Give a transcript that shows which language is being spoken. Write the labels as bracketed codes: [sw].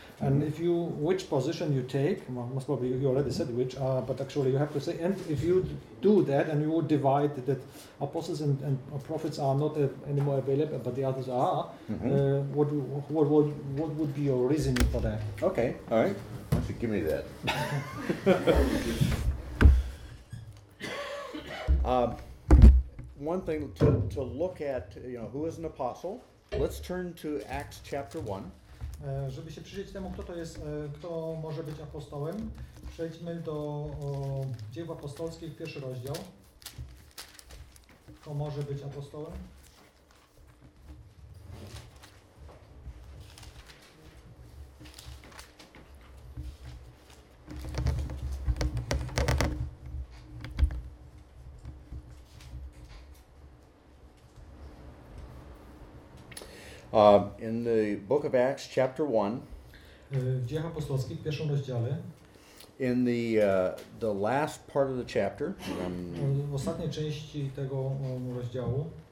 [en] And if you which position you take, well, most probably you already said which, but actually you have to say, and if you do that and you would divide that apostles and prophets are not anymore available, but the others are, what would be your reasoning for that? Okay, all right. Give me that. One thing to look at, you know, who is an apostle? Let's turn to Acts chapter 1. [pl] Żeby się przyjrzeć temu, kto to jest, kto może być apostołem, przejdźmy do Dzieł Apostolskich, pierwszy rozdział. Kto może być apostołem? [en] In the book of Acts, chapter 1, [pl] w Dziejach Apostolskich, pierwszym rozdziale, [en] in the last part of the chapter, [pl] w ostatniej części tego rozdziału,